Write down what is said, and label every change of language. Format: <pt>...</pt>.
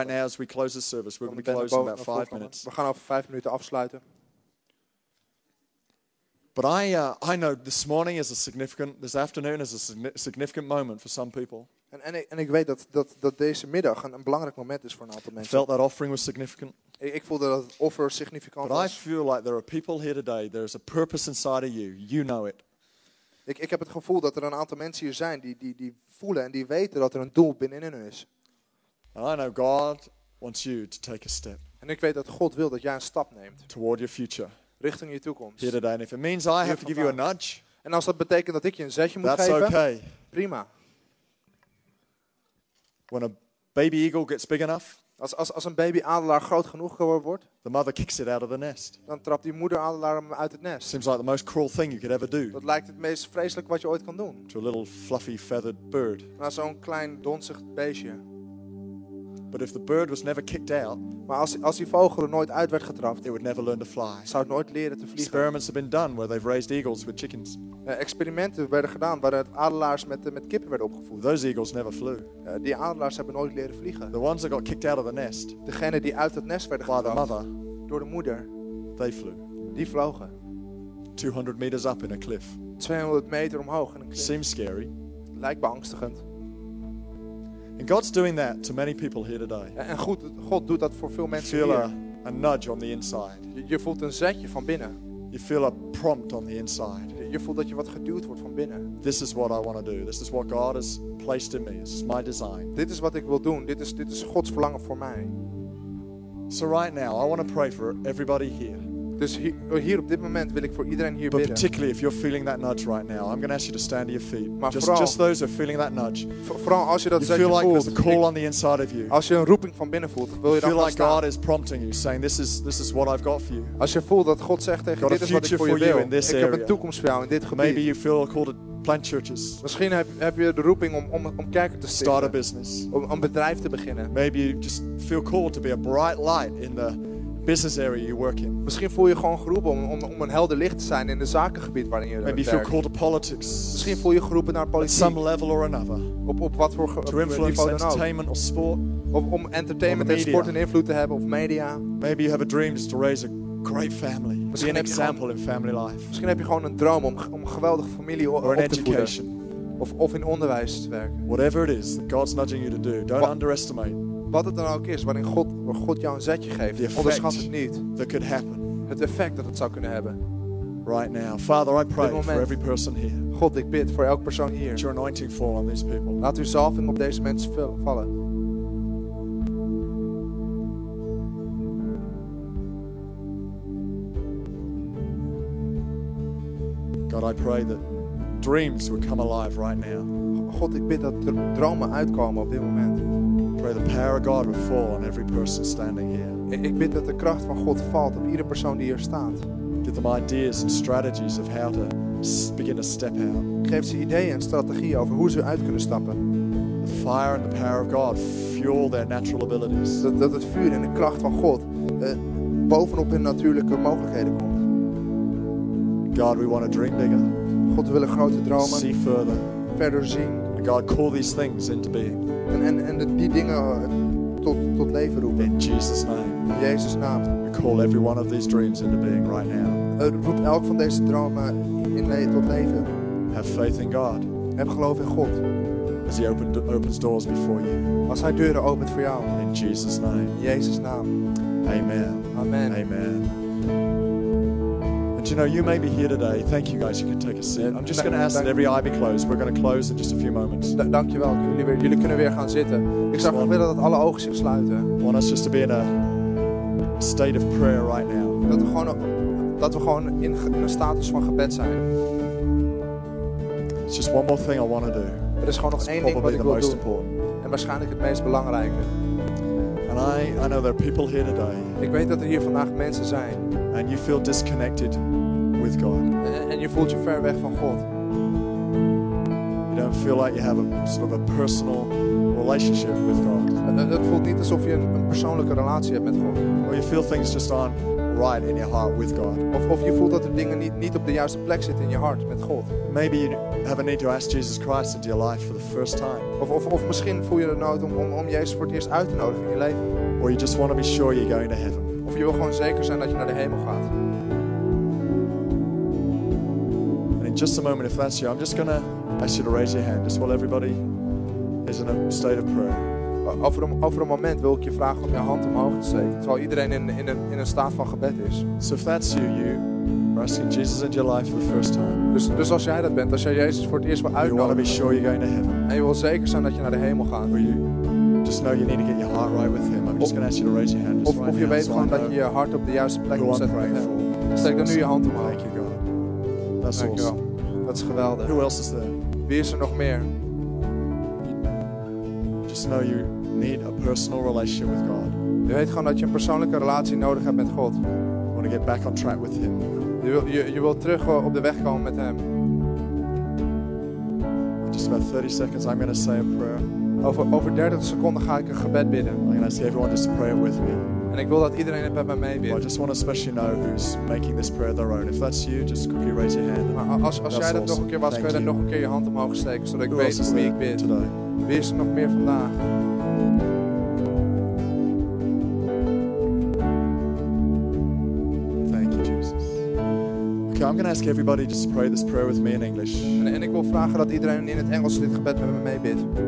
<en>Right now, as we close the service, we're going to be closing in about 5 minutes.</en> <nl>We gaan over 5 minuten afsluiten.</nl> <en>But I know this morning is a significant, this afternoon is a significant moment for some people.</en> <nl>En ik weet dat deze middag een belangrijk moment is voor een aantal mensen.</nl> <en>Felt that offering was significant.</en> <nl>Ik voelde dat het offer significant</nl> <en>but</en> <nl>was.</nl> <en>I feel like there are people here today, there is a purpose inside of you, you know it.</en> <nl>Ik heb het gevoel dat er een aantal mensen hier zijn die voelen en die weten dat er een doel binnenin is.</nl> <en>And I know God wants you to take a step.</en> <nl>En ik weet dat God wil dat jij een stap neemt.</nl> <en>Toward your future.</en> <nl>Richting je toekomst.</nl> <en>Here today. And if it means I have to give you a nudge.</en> <nl>En als dat betekent dat ik je een zetje moet</nl> <en>that's</en> <nl>geven.</nl> <en>That's okay.</en> <nl>Prima.</nl> <en>When a baby eagle gets big enough.</en> <nl>Als een baby adelaar groot genoeg wordt.</nl> <en>The mother kicks it out of the nest.</en> <nl>Dan trapt die moeder adelaar hem uit het nest.</nl> <en>Seems like the most cruel thing you could ever do.</en> <nl>Dat lijkt het meest vreselijk wat je ooit kan doen.</nl> <en>To a little fluffy feathered bird.</en> <nl>Naar zo'n klein donzig beestje.</nl> <en>But if the bird was never kicked out,</en> <nl>maar als die vogel er nooit uit werd getrapt,</nl> <en>it would never learn to fly.</en> <nl>Zou het nooit leren te vliegen.</nl> <en>Experiments have been done where they've raised eagles with chickens.</en> <nl>Experimenten werden gedaan waar het adelaars met kippen werden opgevoed.</nl> <en>Those eagles never flew.</en> <nl>Die adelaars hebben nooit leren vliegen.</nl> <en>The ones that got kicked out of the nest,</en> <nl>degene die uit het nest werden getrapt,</nl> <en>by the mother,</en> <nl>door de moeder,</nl> <en>they flew.</en> <nl>Die vlogen.</nl> <en>200 meters up in a cliff.</en> <nl>200 meter omhoog in een klif.</nl> <en>Seems scary.</en> <nl>Lijkt beangstigend.</nl> <en>And God's doing that to many people here today.</en> <nl>En goed, God doet dat voor veel mensen</nl> <en>feel</en> <nl>hier.</nl> <en>A nudge on the inside.</en> <nl>Je voelt een zetje van binnen.</nl> <en>You feel a prompt on the inside.</en> <nl>Je voelt dat je wat geduwd wordt van binnen.</nl> <en>This is what I want to do. This is what God has placed in me. This is my design.</en> <nl>Dit is wat ik wil doen. Dit is Gods verlangen voor mij.</nl> <en>So right now, I want to pray for everybody here.</en> <nl>Dus hier op dit moment wil ik voor iedereen hier bidden.</nl> <en>But particularly if you're feeling that nudge right now, I'm going to ask you to stand to your feet. Just those who are feeling that nudge.</en> <nl>Vooral als je dat</nl> <en>voelt. You feel like there's a call on the inside of you.</en> <nl>Als je een roeping van binnen voelt, wil je dan gaan staan.</nl> <en>Feel like God is prompting you, saying this is what I've got for you.</en> <nl>Als je voelt dat God zegt tegen je, dit is wat ik voor je wil. Ik heb een toekomst voor jou in dit gebied.</nl> <en>Maybe you feel a call to plant churches.</en> <nl>Misschien heb je de roeping om kerken te stichten.</nl> <en>Start a business.</en> <nl>Om een bedrijf te beginnen.</nl> <en>Maybe you just feel called to be a bright light in the business area you work in.</en> <nl>Misschien voel je gewoon geroepen om een helder licht te zijn in de zakengebied waarin je werkt.</nl> <en>Maybe you feel called to politics.</en> <nl>Misschien voel je geroepen naar politiek.</nl> <en>At some level or another.</en> <nl>Op wat voor niveau dan ook.</nl> <en>To influence entertainment or sport.</en> <nl>Om entertainment en sport een invloed te hebben of media.</nl> <en>Maybe you have a dream just to raise a great family. Be an example in family life.</en> <nl>Misschien heb je gewoon een droom om een geweldige familie op te voeden.</nl> <en>Or in education.</en> <nl>Of in onderwijs te werken.</nl> <en>Whatever it is that God's nudging you to do, don't underestimate.</en> <nl>Wat het dan ook is, waarin God jou een zetje geeft, onderschat het niet.</nl> <en>That could happen.</en> <nl>Het effect dat het zou kunnen hebben.</nl> <en>Right now, Father, I pray for every person here.</en> <nl>God, ik bid voor elk persoon hier.</nl> <en>Let your anointing fall on these people.</en> <nl>Laat uw zalving op deze mensen vallen.</nl> <en>God, I pray that dreams would come alive right now.</en> <nl>God, ik bid dat dromen uitkomen op dit moment.</nl> <en>Pray the power of God will fall on every person standing here.</en> <nl>Ik bid dat de kracht van God valt op iedere persoon die hier staat.</nl> <en>Give them ideas and strategies of how to begin to step out.</en> <nl>Geef ze ideeën en strategieën over hoe ze uit kunnen stappen.</nl> <en>The fire and the power of God fuel their natural abilities.</en> <nl>Dat het vuur en de kracht van God bovenop hun natuurlijke mogelijkheden komt.</nl> <en>God, we want to dream bigger.</en> <nl>God, we willen grote dromen.</nl> <en>See further.</en> <nl>Verder zien.</nl> <en>God, call these things into being.</en> <nl>En die dingen tot leven roepen.</nl> <en>In Jesus' name.</en> <nl>In Jezus' naam.</nl> <en>We call every one of these dreams into being right now.</en> <nl>Roep elk van deze dromen tot leven.</nl> <en>Have faith in God.</en> <nl>Heb geloof in God.</nl> <en>As He opens doors before you.</en> <nl>Als Hij deuren opent voor jou.</nl> <en>In Jesus' name.</en> <nl>In Jezus' naam.</nl> <en>Amen.</en> <nl>Amen.</nl> <en>Amen. You know, you may be here today. Thank you, guys. You can take a seat. I'm just going to ask that every eye be closed. We're going to close in just a few moments.</en> <nl>Dankjewel. Jullie kunnen weer gaan zitten. Ik zou graag willen dat alle ogen zich sluiten.</nl> <en>Want us just to be in a state of prayer right now.</en> <nl>Dat we gewoon in een status van gebed zijn.</nl> <en>It's just one more thing I want to do.</en> <nl>Er is gewoon nog één ding wat ik wil doen. En waarschijnlijk het meest belangrijke.</nl> <en>And I know there are people here today.</en> <nl>Ik weet dat er hier vandaag mensen zijn.</nl> <en>And you feel disconnected with God.</en> <nl>En je voelt je ver weg van God.</nl> <en>You don't feel like you have a sort of a personal relationship with God.</en> <nl>Het voelt niet alsof je een persoonlijke relatie hebt met God.</nl> <en>Or you feel things just aren't right in your heart with God.</en> <nl>Of je voelt dat er dingen niet op de juiste plek zitten in je hart met God.</nl> <en>Maybe you have a need to ask Jesus Christ into your life for the first time.</en> <nl>Of misschien voel je de nood om Jezus voor het eerst uit te nodigen in je leven.</nl> <en>Or you just want to be sure you're going to heaven.</en> <nl>Of je wil gewoon zeker zijn dat je naar de hemel gaat.</nl> <en>And in just a moment, if that's you, I'm just gonna ask you to raise your hand, just while everybody is in a state of prayer.</en> <nl>Over een moment wil ik je vragen om je hand omhoog te steken, terwijl iedereen in een staat van gebed is.</nl> <en>So if that's you, you are asking Jesus into your life for the first time.</en> <nl>Dus als jij dat bent, als jij Jezus voor het eerst wil uitnodigen.</nl> <en>You want to be sure you're going to heaven.</en> <nl>En je wil zeker zijn dat je naar de hemel gaat.</nl> <en>Or you just know you need to get your heart right with Him. I'm just going to ask you to raise your hand.</en> <nl>Of je weet gewoon dat je hart op de juiste plek moet zetten. Steek dan nu je hand omhoog.</nl> <en>Thank you, God. That's awesome.</en> <nl>Dat is geweldig.</nl> <en>Who else is there?</en> <nl>Wie is er nog meer?</nl> <en>Just know you need a personal relationship with God.</en> <nl>Je weet gewoon dat je een persoonlijke relatie nodig hebt met God.</nl> <en>You want to get back on track with Him.</en> <nl>Je wil terug op de weg komen met Hem.</nl> <en>In just about 30 seconds, I'm going to say a prayer.</en> <nl>Over 30 seconden ga ik een gebed bidden.</nl> <en>I'm going to ask everyone just to pray it with me.</en> <nl>En ik wil dat iedereen het met mij meebidt.</nl> <en>Well, I just want to especially know who's making this prayer their own. If that's you, just quickly raise your hand.</en> <nl>Als jij dat nog een keer was, kun je dan nog een keer je hand omhoog steken, zodat</nl> <en>who</en> <nl>ik weet voor wie ik bid.</nl> <en>Today?</en> <nl>Wie is er nog meer vandaag?</nl> <en>Thank you, Jesus. Okay, I'm going to ask everybody just to pray this prayer with me in English.</en> <nl>En ik wil vragen dat iedereen in het Engels dit gebed met me meebidt.</nl>